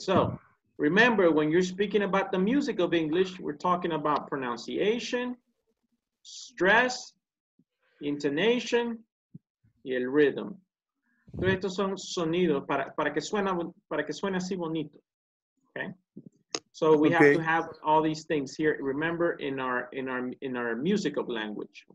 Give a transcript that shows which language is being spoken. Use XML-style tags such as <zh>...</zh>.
<en>So, remember, when you're speaking about the music of English, we're talking about pronunciation, stress, intonation, y el rhythm.</en> <es>Entonces, estos son sonidos para que suene así bonito.</es> <en>Okay? So, we have to have all these things here, remember, in our music of language.</en>